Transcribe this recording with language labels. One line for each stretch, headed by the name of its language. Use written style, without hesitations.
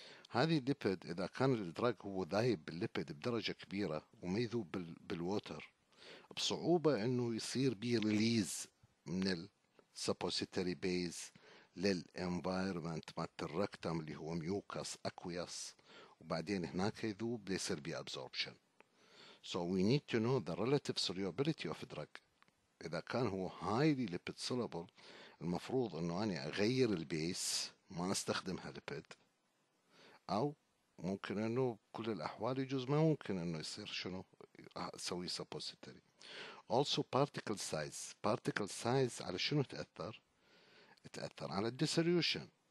Arabic: هذه الليبيد اذا كان الدرج هو ذايب بالليبيد بدرجه كبيره وما يذوب بالووتر، بصعوبه انه يصير بي ريليز من السبوستري بيز للانفايرمنت مات الركتم اللي هو ميوكاس اكوياس، وبعدين هناك يذوب ليصير بي ابزوربشن.
English: So we need to know the relative solubility of drug.
Arabic: اذا كان هو
English: highly lipid soluble
Arabic: المفروض انه انا اغير البيس ما استخدمها لبيد، او ممكن انه كل الاحوال يجوز ما ممكن انه يصير شنو سوي suppository.
English: Also particle size
Arabic: على شنو تأثر على الديسوليوشن.